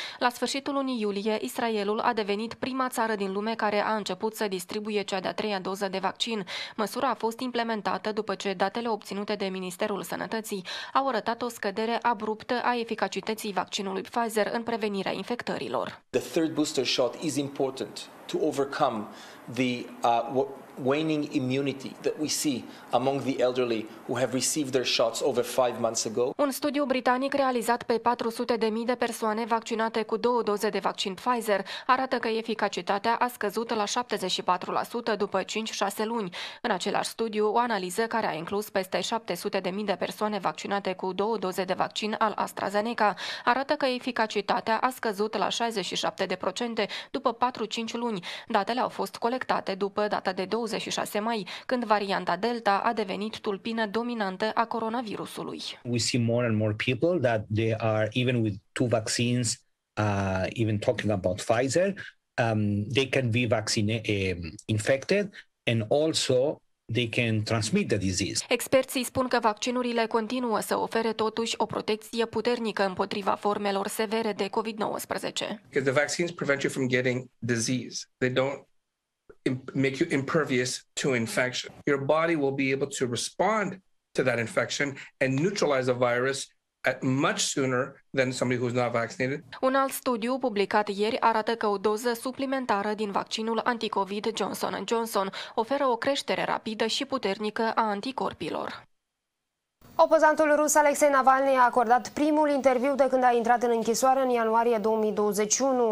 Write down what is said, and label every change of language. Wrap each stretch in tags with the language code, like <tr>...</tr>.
<ro>La sfârșitul lunii iulie, Israelul a devenit prima țară din lume care a început să distribuie cea de-a treia doză de vaccin. Măsura a fost implementată după ce datele obținute de Ministerul Sănătății au arătat o scădere abruptă a eficacității vaccinului Pfizer în prevenirea infectărilor.</ro> <en>The third booster shot is important to overcome the waning immunity that we see among the elderly who have received their shots over 5 months ago.</en> <ro>Un studiu britanic realizat pe 400.000 de persoane vaccinate cu două doze de vaccin Pfizer arată că eficacitatea a scăzut la 74% după 5-6 luni. În același studiu, o analiză care a inclus peste 700.000 de persoane vaccinate cu două doze de vaccin al AstraZeneca arată că eficacitatea a scăzut la 67% după 4-5 luni. Datele au fost colectate după data de 26 mai, când varianta Delta a devenit tulpină dominantă a coronavirusului.</ro> <en>We see more and more people that they are, even with two vaccines, even talking about Pfizer, they can be infected and also they can transmit the disease.</en> <ro>Experții spun că vaccinurile continuă să ofere totuși o protecție puternică împotriva formelor severe de COVID-19.</ro> <en>Because the vaccines prevent you from getting disease. They don't make you impervious to infection. Your body will be able to respond to that infection and neutralize the virus at much sooner than somebody who's not vaccinated.</en> <ro>Un alt studiu publicat ieri arată că o doză suplimentară din vaccinul anticovid Johnson & Johnson oferă o creștere rapidă și puternică a anticorpilor. Opozantul rus Alexei Navalny a acordat primul interviu de când a intrat în închisoare în ianuarie 2021.</ro>